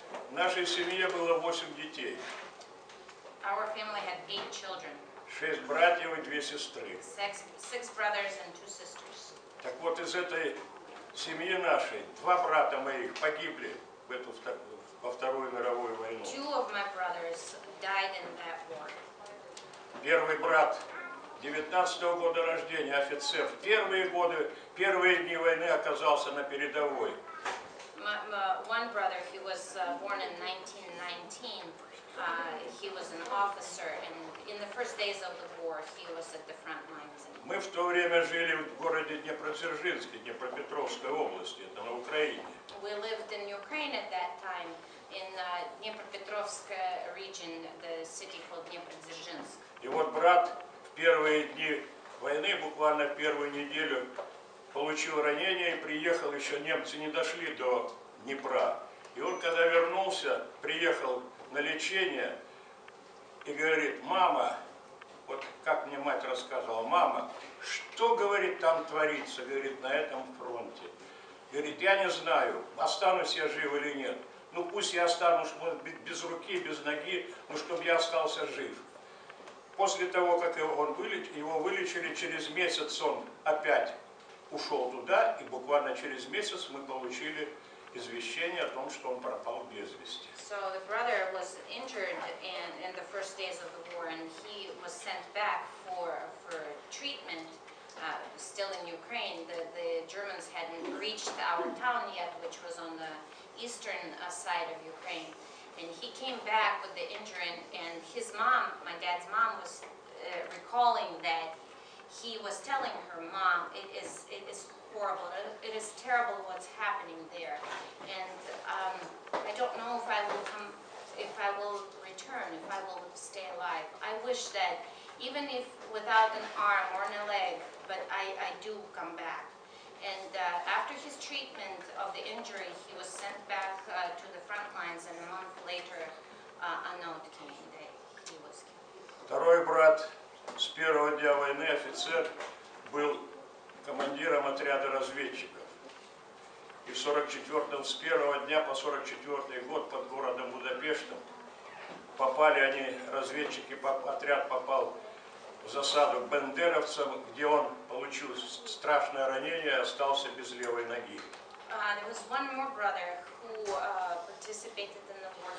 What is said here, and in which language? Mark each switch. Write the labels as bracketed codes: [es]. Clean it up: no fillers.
[ru] В нашей семье было 8 детей. [en] Our family had 8 children. [ru] 6 братьев и 2 сестры. [en] Six brothers and 2 sisters. [ru] Так вот, из этой семьи нашей, два брата моих погибли в эту во Вторую мировую войну. [en] Two of my brothers died in that war. [ru] Первый брат 19-го года рождения, офицер, первые дни войны оказался на передовой. [en] One brother, he was born in 1919. He was an officer, and in the first days of the war, he was at the front lines. [ru] Мы в то время жили в городе Днепродзержинске, Днепропетровской области, это на Украине. [en] We lived in Ukraine at that time, in Dnipropetrovsk region, the city called Днепродзержинск. [ru] И вот брат в первые дни войны, буквально первую неделю, получил ранение и приехал, еще немцы не дошли до Днепра. И он, когда вернулся, приехал на лечение и говорит: мама, вот как мне мать рассказывала, мама, что, говорит, там творится, говорит, на этом фронте. Говорит, я не знаю, останусь я жив или нет. Ну пусть я останусь, может быть, без руки, без ноги, но чтобы я остался жив. После того, как его вылечили, через месяц он опять ушел туда, и буквально через месяц мы получили извещение о том, что он пропал без вести. [en] So the brother was injured in the first days of the war, and he was sent back for treatment, still in Ukraine. The Germans hadn't reached our town yet, which was on the eastern side of Ukraine. And he came back with the injury, and his mom, my dad's mom, was recalling that he was telling her, "Mom, it is horrible. It is terrible what's happening there. And I don't know if I will stay alive. I wish that even if without an arm or a leg, but I do come back." And after his treatment of the injury, he was sent back to the front lines, and a month later, a note came that he was killed. [ru] Второй брат с первого дня войны, офицер, был командиром отряда разведчиков. И в 44-м, с первого дня по 44-й год под городом Будапештом попали они, разведчики, отряд попал в засаду к бандеровцам, где он получил страшное ранение и остался без левой ноги. [en] There was one more brother who participated in the war.